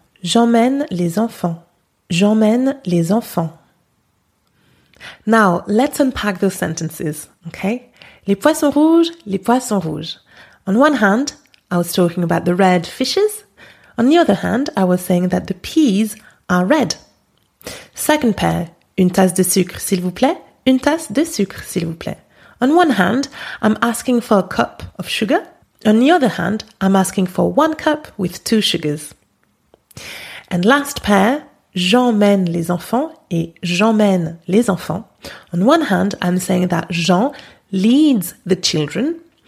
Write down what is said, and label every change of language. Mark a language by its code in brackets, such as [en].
[fr] J'emmène les enfants. J'emmène les enfants. [en] Now, let's unpack those sentences, okay? [fr] Les poissons rouges, les poissons rouges. [en] On one hand, I was talking about the red fishes. On the other hand, I was saying that the peas are red. Second pair, [fr] une tasse de sucre, s'il vous plaît. Une tasse de sucre, s'il vous plaît. [en] On one hand, I'm asking for a cup of sugar. On the other hand, I'm asking for one cup with two sugars. And last pair, [fr] j'emmène les enfants et j'emmène les enfants. [en] On one hand, I'm saying that Jean leads the children.